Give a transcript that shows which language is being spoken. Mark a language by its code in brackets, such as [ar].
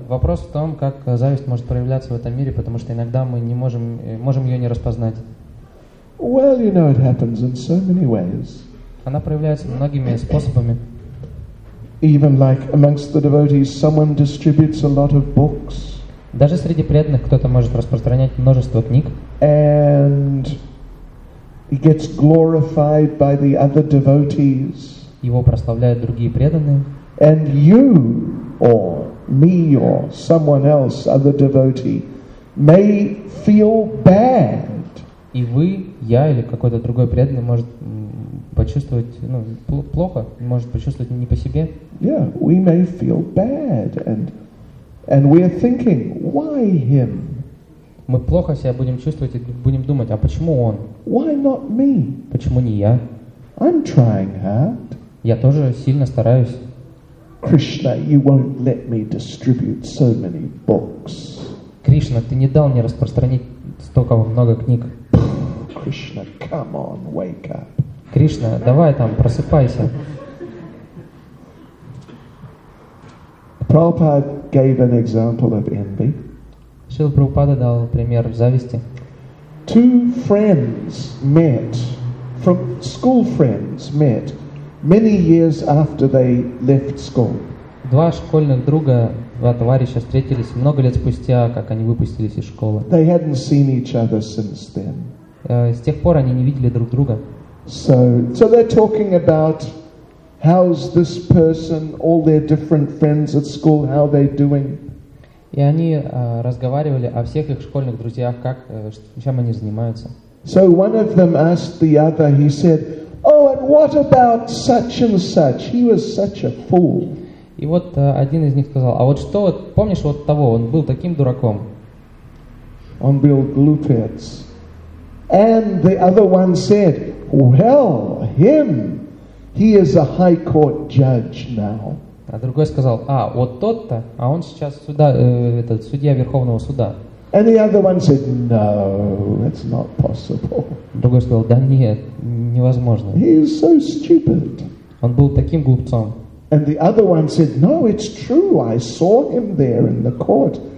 [ru] Вопрос в том, как зависть может проявляться в этом мире, потому что иногда мы не можем, можем ее не распознать. [en] Well, you know, it happens in so many ways. [ru] Она проявляется многими способами. [en] Even like amongst the devotees, someone distributes a lot of books. [ru] Даже среди преданных кто-то может распространять множество книг. [en] And he gets glorified by the other devotees. [ru] Его прославляют другие преданные. [en] And you or me or someone else, other devotee, may feel bad. [ru] И вы, я или какой-то другой преданный может почувствовать, ну, плохо, может почувствовать не по себе. [en] Yeah, we may feel bad and we're thinking, why him? [ru] Мы плохо себя будем чувствовать и будем думать, а почему он? [en] Why not me? [ru] Почему не я? [en] I'm trying hard. [ru] Я тоже сильно стараюсь. [en] Krishna, you won't let me distribute so many books. [ru] Кришна, ты не дал мне распространить столько много книг. [en] Krishna, come on, wake up. [ru] Кришна, давай там, просыпайся. [en] Prabhupada gave an example of envy. [ru] Шрила Прабхупада дал пример зависти. [en] Two friends met, from school friends met, many years after they left school. [ru] Два школьных друга, два товарища встретились много лет спустя, как они выпустились из школы. [en] They hadn't seen each other since then. [ru] С тех пор они не видели друг друга. [en] So they're talking about how's this person, all their different friends at school, how they doing? [ru] И они разговаривали о всех их школьных друзьях, как, чем они занимаются. [en] So one of them asked the other, he said, oh, and what about such and such? He was such a fool. [ru] И вот один из них сказал, а вот что, помнишь вот того, он был таким дураком? Он был глупец. [en] And the other one said, well, him, he is a high court judge now. [ru] А другой сказал, а, вот тот-то, а он сейчас суда, этот, судья Верховного Суда. [en] And the other one said, no, that's not possible. [ru] Другой сказал, да нет, невозможно. [en] He is so stupid. [ru] Он был таким глупцом. [en] And the other one said, no, it's true, I saw him there in the court.